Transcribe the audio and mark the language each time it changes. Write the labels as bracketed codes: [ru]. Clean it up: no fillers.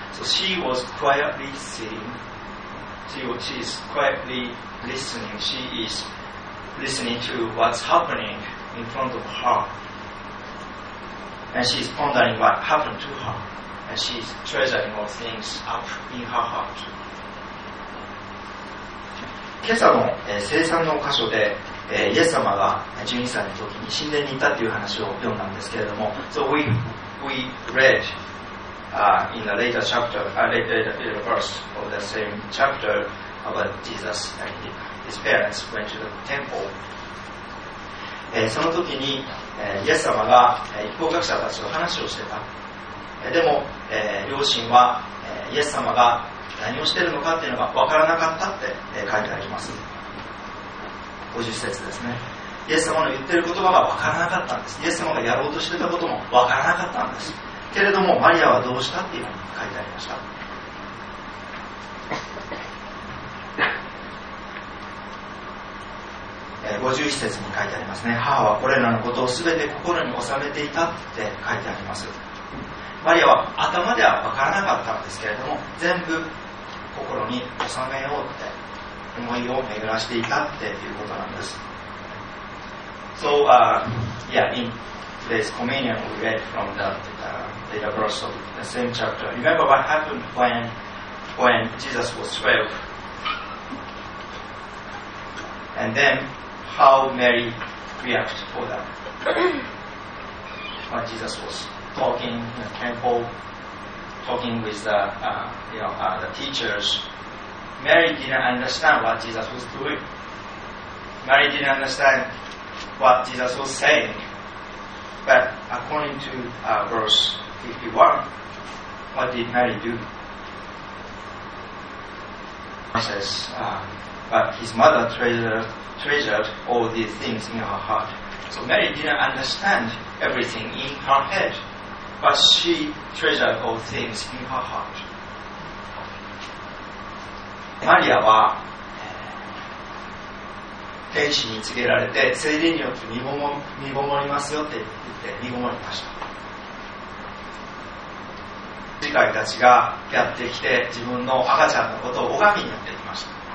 [en] So she was quietly sitting. She is quietly listening. She is listening to what's happening in front of her. And she is pondering what happened to her. And she is treasuring all things up in her heart. [ja] 今朝の聖餐の箇所で、イエス様が12歳の時に神殿にいたという話を読んだんですけれども、 [en] So we read in the later chapter, later verse of the same chapter about Jesus and his parents went to the temple. [ja] その時に、イエス様が律法学者たちと話をしてた。でも、両親は、イエス様が何をしているのかっていうのが分からなかったって書いてあります。50節ですね。イエス様の言っている言葉が分からなかったんです。イエス様がやろうとしていたことも分からなかったんです。けれどもマリアはどうしたっていうのに書いてありました。 51節に書いてありますね。母はこれらのことを全て心に収めていたって書いてあります。マリアは頭では分からなかったんですけれども、全部心に収めようって思いを巡らしていたっていうことなんです。 [en] So, yeah, in today's communion we read from the verse of the same chapter. Remember what happened when Jesus was 12? And then how Mary reacted for that? When Jesus was talking in the temple, talking with the teachers. Mary didn't understand what Jesus was doing. Mary didn't understand what Jesus was saying. But according to verse 51, what did Mary do? He says, but his mother treasured all these things in her heart. So Mary didn't understand everything in her head. But she treasured all things in her heart. [ja] マリアは天使に告げられて聖霊によって見ごもりますよって言って見ごもりました。次回たちがやってきて自分の赤ちゃんのことを拝みにやってきました。